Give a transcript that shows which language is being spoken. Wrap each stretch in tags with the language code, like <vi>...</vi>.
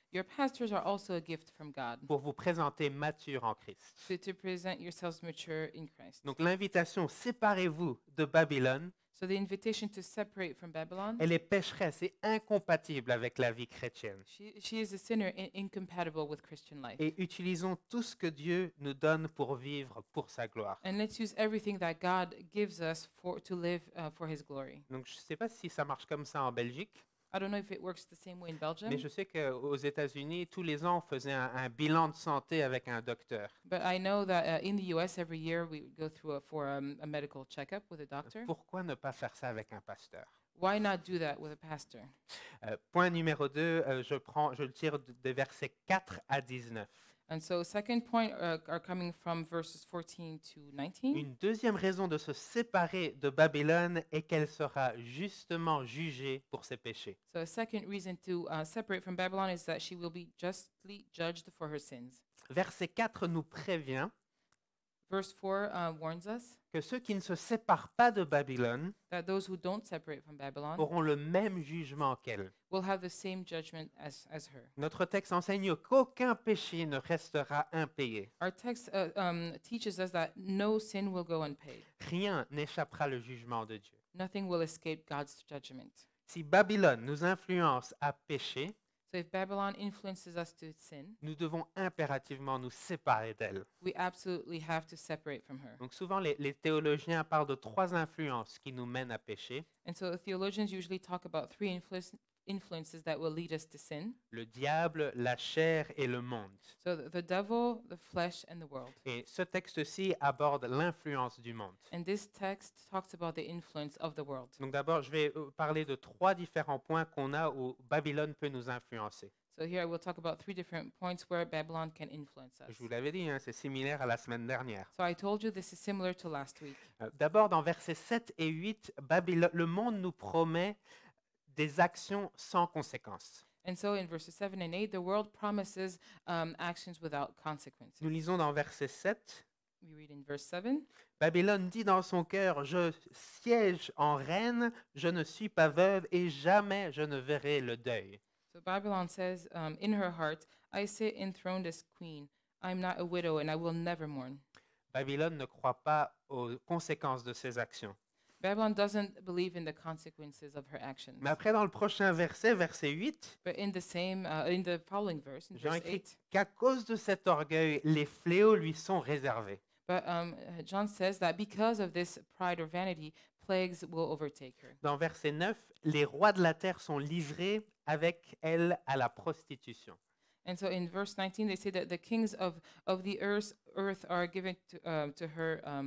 <en>Your pastors are also a gift from God.</en> <fr>Pour vous présenter mature en Christ.</fr> <en>So to present yourselves mature in Christ.</en> <fr>Donc l'invitation, séparez-vous de Babylone.</fr> <en>So the invitation to separate from Babylon.</en> <fr>Elle est pécheresse et incompatible avec la vie chrétienne.</fr> <en>She is a sinner and incompatible with Christian life.</en> <fr>Et utilisons tout ce que Dieu nous donne pour vivre pour sa gloire.</fr> <en>And let's use everything that God gives us to live for his glory.</en> <fr>Donc je sais pas si ça marche comme ça en Belgique.</fr> <en>I don't know if it works the same way in Belgium.</en> <fr>Mais je sais que aux États-Unis tous les ans on faisait un bilan de santé avec un docteur.</fr> <en>But I know that in the US every year we would go through a medical checkup with a doctor.</en> <fr>Pourquoi ne pas faire ça avec un pasteur?</fr> <en>Why not do that with a pastor?</en> <fr>Point numéro 2, je le tire de versets 4 à 19.</fr> <en>And so second point are coming from verses 14 to 19.</en> <fr>Une deuxième raison de se séparer de Babylone est qu'elle sera justement jugée pour ses péchés.</fr> <en>So a second reason to separate from Babylon is that she will be justly judged for her sins.</en> <fr>Verset 4 nous prévient.</fr> <en>Verse 4 warns us.</en> <fr>Que ceux qui ne se séparent pas de Babylone.</fr> <en>That those who don't separate from Babylon.</en> <fr>Auront le même jugement qu'elle.</fr> <en>Will have the same judgment as her.</en> <fr>Notre texte enseigne qu'aucun péché ne restera impayé.</fr> <en>Our text teaches us that no sin will go unpaid.</en> <fr>Rien n'échappera le jugement de Dieu.</fr> <en>Nothing will escape God's judgment.</en> <fr>Si Babylone nous influence à pécher.</fr> <en>So if Babylon influences us to sin,</en> <fr>nous devons impérativement nous séparer d'elle.</fr> <en>We absolutely have to separate from her.</en> <fr>Donc souvent les théologiens parlent de trois influences qui nous mènent à pécher.</fr> <en>And so the theologians usually talk about three influences that will lead us to sin.</en> <fr>Le diable, la chair et le monde.</fr> <en>So the devil, the flesh and the world.</en> <fr>Et ce texte-ci aborde l'influence du monde.</fr> <en>And this text talks about the influence of the world.</en> <fr>Donc d'abord, je vais parler de trois différents points qu'on a où Babylone peut nous influencer.</fr> <en>So here I will talk about three different points where Babylon can influence us.</en> <fr>Je vous l'avais dit, hein, c'est similaire à la semaine dernière.</fr> <en>So I told you this is similar to last week.</en> <fr>D'abord, dans versets 7 et 8, le monde nous promet des actions sans conséquences.</fr> <en>And so in verses 7 and 8, the world promises actions without consequences.</en> <fr>Nous lisons dans verset 7.</fr> <en>We read in verse 7.</en> <fr>Babylone dit dans son cœur, je siège en reine, je ne suis pas veuve et jamais je ne verrai le deuil.</fr> <en>So Babylon says in her heart, I sit enthroned as queen. I'm not a widow and I will never mourn.</en> <fr>Babylone ne croit pas aux conséquences de ses actions.</fr> <en>Babylon doesn't believe in the consequences of her actions.</en> <fr>Mais après, dans le prochain verset, verset 8,</fr> <en>but in the same, in the following verse, in</en> <fr>Jean</fr> <en>verse 8,</en> <fr>qu'à cause de cet orgueil, les fléaux lui sont réservés.</fr> <en>But John says that because of this pride or vanity, plagues will overtake her.</en> <fr>Dans verset 9, les rois de la terre sont livrés avec elle à la prostitution.</fr> <en>And so in verse 19, they say that the kings of the earth are given to her.</en>